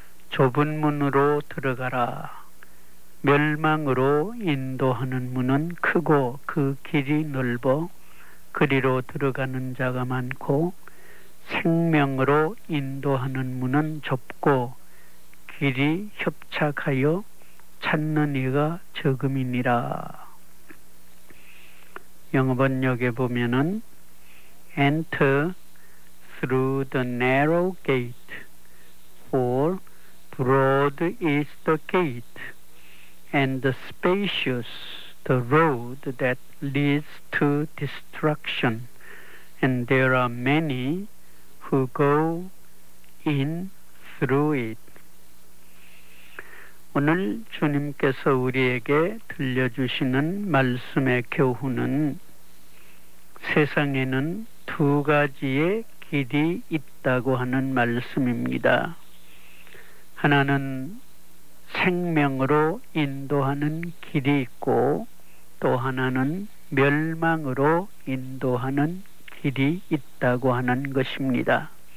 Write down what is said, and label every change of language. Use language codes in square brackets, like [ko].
[ko] 좁은 문으로 들어가라. 멸망으로 인도하는 문은 크고 그 길이 넓어 그리로 들어가는 자가 많고 생명으로 인도하는 문은 좁고 길이 협착하여 찾는 이가 적음이니라. 영어 번역에 보면은 [en] Enter through the narrow gate, for broad is the gate and the spacious the road that leads to destruction, and there are many who go in through it. [ko] 오늘 주님께서 우리에게 들려주시는 말씀의 교훈은 세상에는 두 가지의 길이 있다고 하는 말씀입니다. 하나는 생명으로 인도하는 길이 있고 또 하나는 멸망으로 인도하는 길이 있다고 하는 것입니다.